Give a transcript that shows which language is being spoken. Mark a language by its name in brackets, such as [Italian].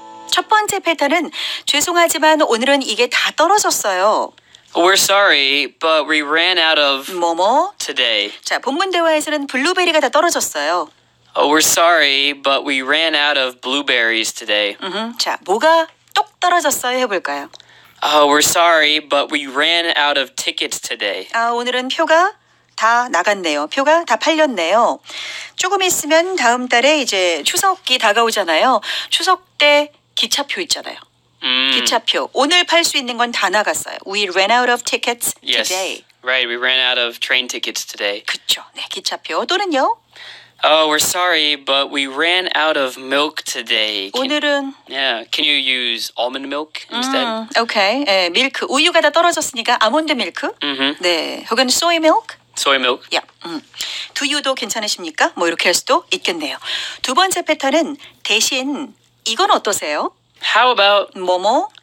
[Korean] 첫 번째 패턴은 죄송하지만 오늘은 이게 다 떨어졌어요. [English] We're sorry, but we ran out of [Korean] 뭐뭐? [English] Today. [Korean] 자, 본문 대화에서는 블루베리가 다 떨어졌어요. [English] Oh, we're sorry, but we ran out of blueberries today. [Korean] Mm-hmm. 자, 뭐가 똑 떨어졌어요? 해볼까요? [English] Oh, we're sorry, but we ran out of tickets today. [Korean] 아, 오늘은 표가 다 나갔네요. 표가 다 팔렸네요. 조금 있으면 다음 달에 이제 추석이 다가오잖아요. 추석 때 기차표 있잖아요. 기차표. 오늘 팔 수 있는 건 다 나갔어요. [English] We ran out of tickets today. Yes, right. We ran out of train tickets today. [Korean] 그쵸. 네, 기차표. 또는요? [English] Oh, we're sorry, but we ran out of milk today. [Korean] Can, 오늘은... [English] Yeah, can you use almond milk instead? [Korean] Okay, 예, 밀크. 우유가 다 떨어졌으니까 아몬드 밀크. Mm-hmm. 네, 혹은 soy milk. [English] Soy milk. [Korean] Yeah. 두유도 괜찮으십니까? 뭐 이렇게 할 수도 있겠네요. 두 번째 패턴은 대신 이건 어떠세요? [English] How about... [Korean] 뭐뭐?